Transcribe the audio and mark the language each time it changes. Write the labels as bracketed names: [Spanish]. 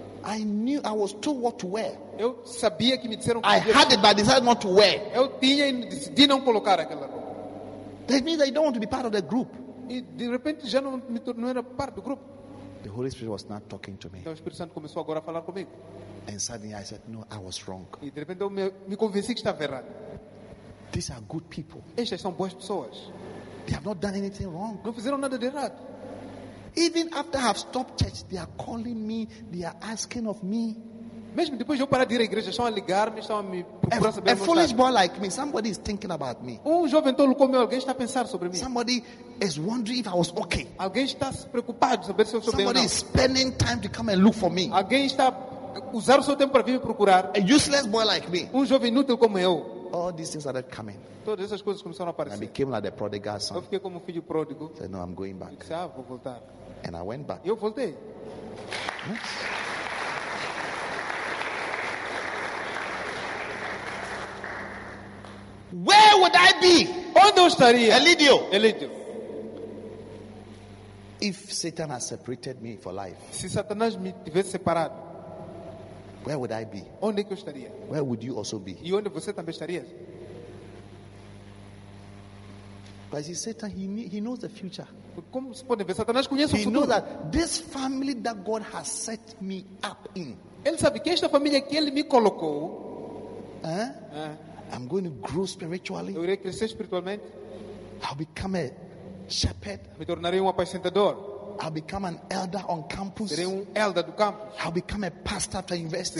[English] I knew I was told what to wear. [Portuguese] Eu sabia que me disseram [English] I had it, but I decided not to wear. [Portuguese] Eu tinha e decidi não colocar aquela roupa. [English] That means I don't want to be part of the group. [Portuguese] E de repente já não era parte do grupo. [English] The Holy Spirit was not talking to me. [Portuguese] Então o Espírito Santo começou agora a falar comigo. [English] And suddenly I said, no, I was wrong. [Portuguese] E de repente eu me convenci que estava errado. [English] These are good people. [Portuguese] Estas são boas pessoas. [English] They have not done anything wrong. [Portuguese] Não fizeram nada de errado. [English] Even after I have stopped church, they are calling me, they are asking of me. [Portuguese] Mesmo depois de eu parar de ir à igreja, estão a ligar-me, estão a me procurar saber. [English] A foolish boy like me, somebody is thinking about me. [Portuguese] Um jovem tolo como eu, alguém está a pensar sobre mim. [English] Somebody is wondering if I was okay. [Portuguese] Alguém está preocupado de saber se eu sou bem. [English] Somebody is spending time to come and look for me. [Portuguese] Alguém está usar o seu tempo para vir me procurar. [English] A useless boy like me. [Portuguese] Um jovem inútil como eu. [English] All these things started coming. [Portuguese] Todas essas coisas começaram a aparecer. [English] I became like the prodigal son. [Portuguese] Eu fiquei como filho pródigo. [English] Said, no, I'm going back. [Portuguese] Disse, ah, vou voltar. [English] And I went back. [Portuguese] Eu voltei. [English] Where would I be? [Portuguese] Onde eu estaria? Elidio. Elidio. [English] If Satan has separated me for life. [Portuguese] Se Satanás me tivesse separado. [English] Where would I be? [Portuguese] Onde que eu estaria? [English] Where would you also be? [Portuguese] E onde você também estaria? [English] Because Satan, he knows the future. [Portuguese] Como se pode ver? Satanás conhece [English] he [Portuguese] o futuro. [English] Knows that this family that God has set me up in. [Portuguese] Ele sabe que esta família que ele me colocou. [English] I'm going to grow spiritually. [Portuguese] Eu irei crescer espiritualmente. [English] I'll become a shepherd. [Portuguese] Me tornarei um apacentador. [English] I'll become an elder on campus. [Portuguese] Serei um elder do campus. [English] I'll become a pastor after university.